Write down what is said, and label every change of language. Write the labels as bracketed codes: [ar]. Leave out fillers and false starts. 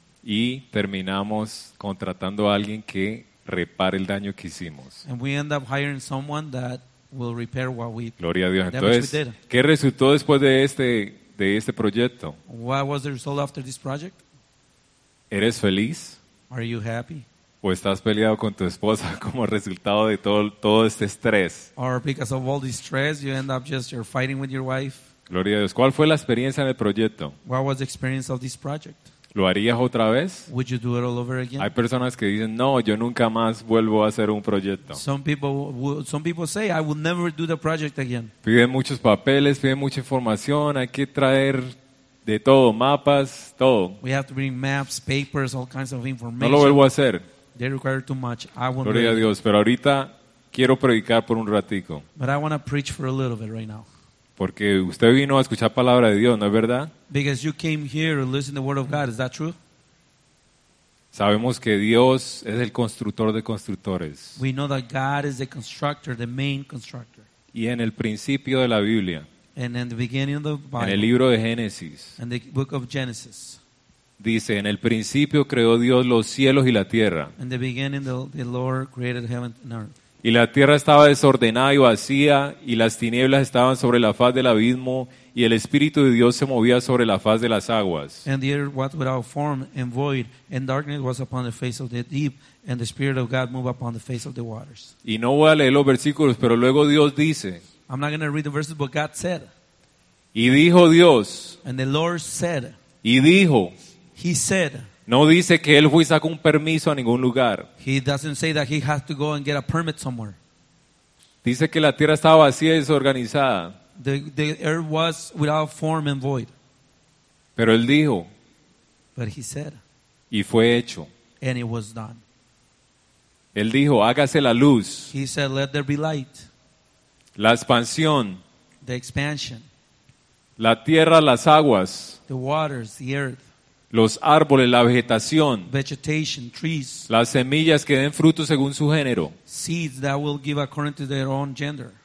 [es] Y terminamos contratando a alguien que repare el daño que hicimos. [en] And we end up hiring someone that will repair what we did. [es] Gloria a Dios. Entonces, ¿qué resultó después de este proyecto? [en] What was the result after this project? [es] ¿Eres feliz? [en] Are you happy? [es] ¿O estás peleado con tu esposa como resultado de todo este estrés? [en] Or because of all the stress, you end up just you're fighting with your wife. [es] Gloria a Dios. ¿Cuál fue la experiencia en el proyecto? [en] What was the experience of this project? [es] ¿Lo harías otra vez? [en] Would you do it all over again? [es] Hay personas que dicen, no, yo nunca más vuelvo a hacer un proyecto. [en] Some people say, I will never do the project again. [es] Piden muchos papeles, piden mucha información, hay que traer de todo, mapas, todo. [en] We have to bring maps, papers, all kinds of information. [es] No lo vuelvo a hacer. [en] They require too much. I won't. [es] Gloria a Dios. Pero ahorita quiero predicar por un ratico. [en] But I want to preach for a little bit right now. [es] Porque usted vino a escuchar palabra de Dios, ¿no es verdad? [en] Because you came here to listen to the word of God, is that true? [es] Sabemos que Dios es el constructor de constructores. [en] We know that God is the constructor, the main constructor. [es] Y en el principio de la Biblia. [en] And in the beginning of the Bible. [es] En el libro de Génesis. [en] And the book of Genesis. [es] Dice, en el principio creó Dios los cielos y la tierra. [en] In the beginning, the Lord created heaven and earth. [es] Y la tierra estaba desordenada y vacía, y las tinieblas estaban sobre la faz del abismo, y el Espíritu de Dios se movía sobre la faz de las aguas. [en] And the earth was without form and void, and darkness was upon the face of the deep, and the Spirit of God moved upon the face of the waters. [es] Y no voy a leer los versículos, pero luego Dios dice. [en] I'm not going to read the verses, but God said. [es] Y dijo Dios. [en] And the Lord said. [es] Y dijo. [en] He said. [es] No dice que él fue y sacó un permiso a ningún lugar. [en] He doesn't say that he has to go and get a permit somewhere. [es] Dice que la tierra estaba vacía y desorganizada. [en] The earth was without form and void. [es] Pero él dijo. [en] But he said. [es] Y fue hecho. [en] And it was done. [es] Él dijo, hágase la luz. [en] He said, let there be light. [es] La expansión. [en] The expansion. [es] La tierra, las aguas. [en] The waters, the earth. [es] Los árboles, la vegetación, [en] vegetation, trees, [es] las semillas que den fruto según su género, [en] seeds that will give according to their own gender,